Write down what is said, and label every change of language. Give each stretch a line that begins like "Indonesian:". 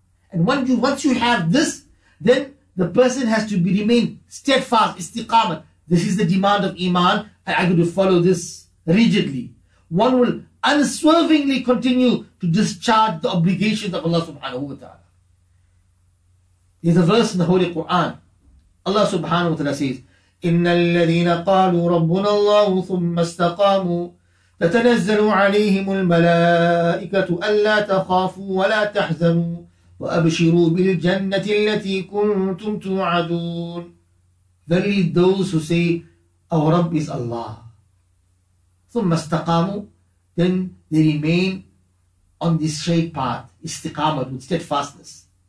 English: And once you have this, then the person has to remain steadfast, istiqamah. This is the demand of iman. I got to follow this rigidly. One will unswervingly continue to discharge the obligations of Allah subhanahu wa ta'ala. There's a verse in the Holy Quran. Allah subhanahu wa ta'ala says,
Arabic: إِنَّ الَّذِينَ قَالُوا رَبُّنَا اللَّهُ ثُمَّ اسْتَقَامُوا تَتَنَزَّلُ عَلَيْهِمُ الْمَلَائِكَةُ أَلَّا تَخَافُوا وَلَا تَحْزَنُوا وَأَبْشِرُوا بِالْجَنَّةِ الَّتِي كُنْتُمْ تُوعَدُونَ.
English: Verily those who say, our Rabb is Allah.
Arabic: ثُمَّ اسْتَقَامُوا.
English: Then they remain on this straight path, istiqamah, with steadfastness.